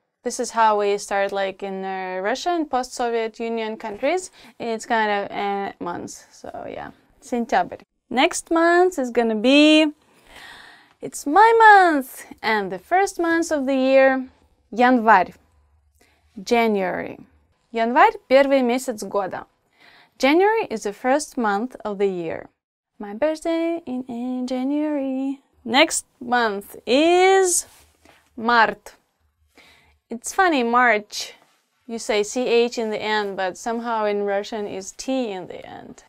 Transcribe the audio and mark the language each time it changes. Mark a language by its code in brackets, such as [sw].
[en] This is how we start, like in Russian post-Soviet Union countries. It's kind of months. So yeah, сентябрь. Next month is gonna be. It's my month and the first month of the year. [ru] Январь. [en] January. [ru] Январь – первый месяц года. [en] January is the first month of the year. My birthday in January. Next month is март. It's funny, March. You say CH in the end, but somehow in Russian is T in the end.